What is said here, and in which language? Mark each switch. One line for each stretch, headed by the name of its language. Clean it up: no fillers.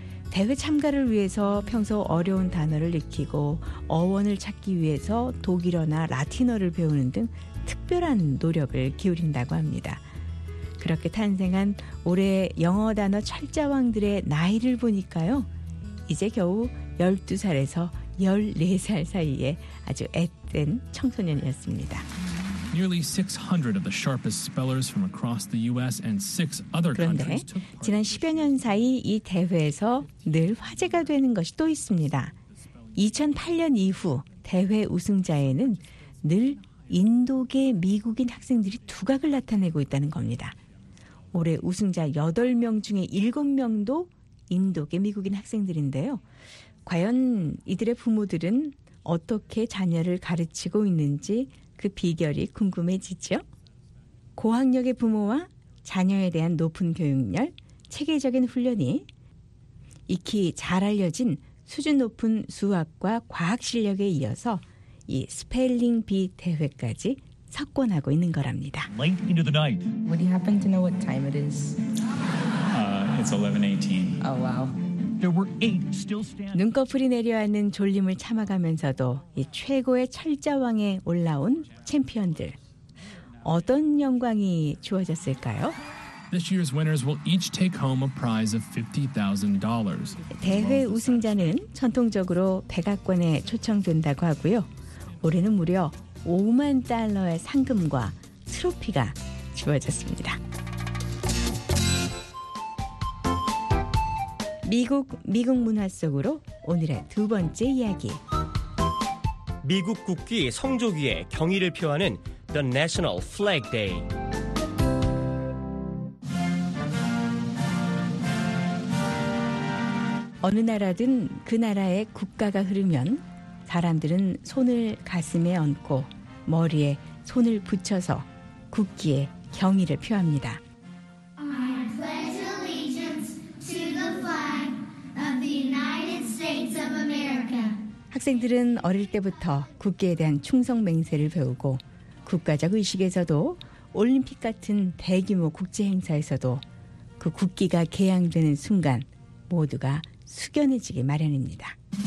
Korean: 대회 참가를 위해서 평소 어려운 단어를 익히고 어원을 찾기 위해서 독일어나 라틴어를 배우는 등 특별한 노력을 기울인다고 합니다. 그렇게 탄생한 올해 영어 단어 철자왕들의 나이를 보니까요. 이제 겨우 12살에서 14살 사이에 아주 앳된 청소년이었습니다.
English: Nearly 600 of the sharpest spellers from across the US and six other countries.
Korean: 그런데 지난 10여 년 사이 이 대회에서 늘 화제가 되는 것이 또 있습니다. 2008년 이후 대회 우승자에는 늘 인도계 미국인 학생들이 두각을 나타내고 있다는 겁니다. 올해 우승자 8명 중에 7명도 인도계 미국인 학생들인데요. 과연 이들의 부모들은 어떻게 자녀를 가르치고 있는지 그 비결이 궁금해지죠? 고학력의 부모와 자녀에 대한 높은 교육열, 체계적인 훈련이 익히 잘 알려진 수준 높은 수학과 과학 실력에 이어서 이 스펠링 비 대회까지 석권하고 있는 거랍니다.
English: Late into the night. Would you happen to know what time it is? It's 11:18. Oh wow. There were eight still standing.
Korean: 눈꺼풀이 내려앉는 졸림을 참아가면서도 이 최고의 철자왕에 올라온 챔피언들 어떤 영광이 주어졌을까요?
English: This year's winners will each take home a prize of $50,000.
Korean: 대회 우승자는 전통적으로 백악관에 초청된다고 하고요. 올해는 무려 5만 달러의 상금과 트로피가 주어졌습니다. 미국 미국 문화 속으로 오늘의 두 번째 이야기. 미국 국기 성조기에 경의를 표하는 The National Flag Day. 어느 나라든 그 나라의 국가가 흐르면 사람들은 손을 가슴에 얹고 머리에 손을 붙여서 국기에 경의를 표합니다.
English: I pledge allegiance to the flag of the United States of America.
Korean: 학생들은 어릴 때부터 국기에 대한 충성맹세를 배우고 국가적 의식에서도 올림픽 같은 대규모 국제 행사에서도 그 국기가 개양되는 순간 모두가 숙연해지기 마련입니다.